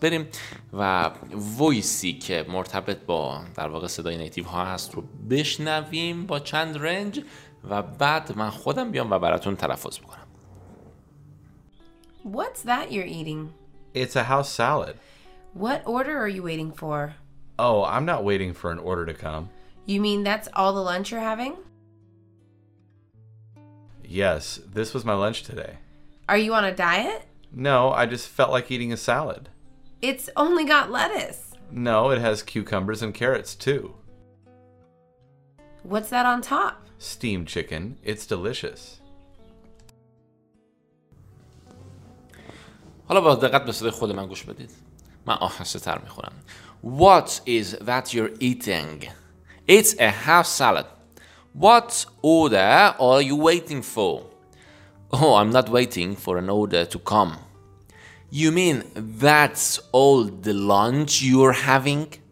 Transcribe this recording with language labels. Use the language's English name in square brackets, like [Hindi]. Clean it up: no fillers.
[Persian] بریم و وایسی که مرتبط با در واقع صدای نیتیو ها هست رو بشنویم با چند رنج و بعد من خودم بیام و براتون تلفظ بکنم. [English] What's that you're eating? It's a house salad. What order are you waiting for? Oh, I'm not waiting for an order to come. You mean that's all the lunch you're having? Yes, this was my lunch today. Are you on a diet? No, I just felt like eating a salad. It's only got lettuce. No, it has cucumbers and carrots too. What's that on top? Steamed chicken. It's delicious. [Persian] حالا با دقت به صدای خود من گوش بدید. من آهسته تر میخونم. [English] What is that you're eating? It's a half salad. What order are you waiting for? Oh, I'm not waiting for an order to come. You mean that's all the lunch you're having?